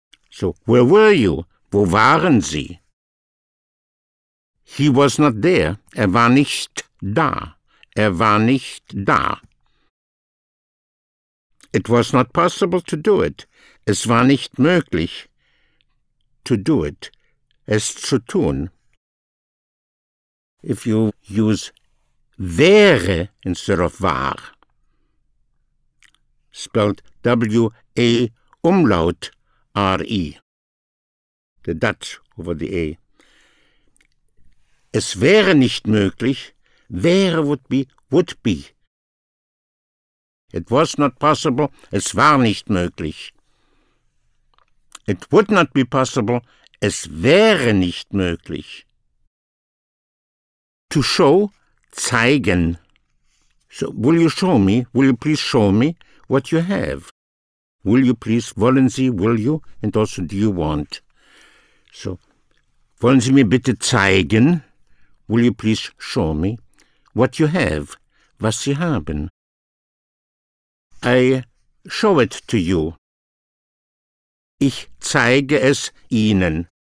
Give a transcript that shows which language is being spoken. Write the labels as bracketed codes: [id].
[en] So, where were you? [de] Wo waren sie? [en] He was not there. [de] Er war nicht da. Er war nicht da. [en] It was not possible to do it. [de] Es war nicht möglich [en] to do it. [de] Es zu tun. [en] If you use wäre instead of war, spelled W-A umlaut R-E, the Dutch over the A. [de] Es wäre nicht möglich, wäre [en] would be. It was not possible, [de] es war nicht möglich. [en] It would not be possible, [de] es wäre nicht möglich. [en] To show, zeigen. So, will you show me, will you please show me what you have? Will you please, [de] wollen Sie, [en] will you, and also do you want? So, [de] wollen Sie mir bitte zeigen, [en] will you please show me what you have, [de] was Sie haben? [en] I show it to you. [de] Ich zeige es Ihnen.